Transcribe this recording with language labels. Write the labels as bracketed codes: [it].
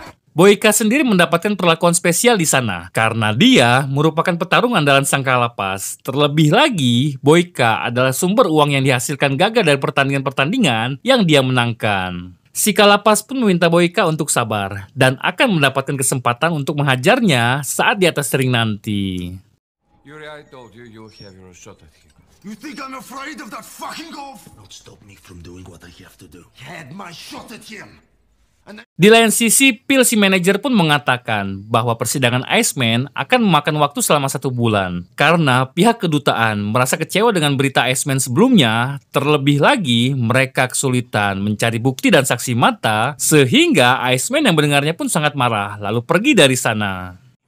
[id] Boyka sendiri mendapatkan perlakuan spesial di sana, karena dia merupakan petarung andalan sang kalapas. Terlebih lagi, Boyka adalah sumber uang yang dihasilkan gagah dari pertandingan-pertandingan yang dia menangkan. Si kalapas pun meminta Boyka untuk sabar, dan akan mendapatkan kesempatan untuk menghajarnya saat di atas ring nanti. [en] Yuri, I told you, you have your shot at him. You think I'm afraid of that fucking golf? Don't stop me from doing what I have to do. I had my shot at him. [id] Di lain sisi, Pil si manajer pun mengatakan bahwa persidangan Iceman akan memakan waktu selama 1 bulan. Karena pihak kedutaan merasa kecewa dengan berita Iceman sebelumnya, terlebih lagi mereka kesulitan mencari bukti dan saksi mata, sehingga Iceman yang mendengarnya pun sangat marah, lalu pergi dari sana.